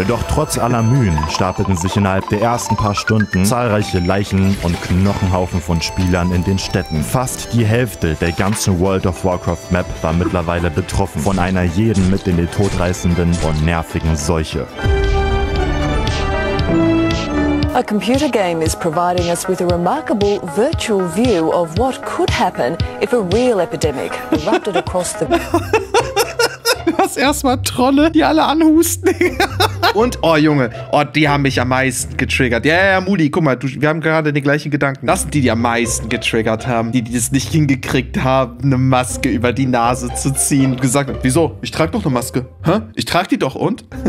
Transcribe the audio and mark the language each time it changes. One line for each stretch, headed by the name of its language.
German: Doch trotz aller Mühen stapelten sich innerhalb der ersten paar Stunden zahlreiche Leichen und Knochenhaufen von Spielern in den Städten. Fast die Hälfte der ganzen World of Warcraft Map war mittlerweile betroffen von einer jeden mit in den Tod reißenden und nervigen Seuche.
English: A computer game is providing us with a remarkable virtual view of what could happen if a real epidemic erupted across the...
German: Was erstmal Trolle, die alle anhusten. Und, oh Junge, oh, die haben mich am meisten getriggert. Ja, ja, Moody, guck mal, wir haben gerade den gleichen Gedanken. Das sind die, die am meisten getriggert haben. Die, die es nicht hingekriegt haben, eine Maske über die Nase zu ziehen. Und gesagt, wieso? Ich trage doch eine Maske. Hä? Ich trage die doch, und?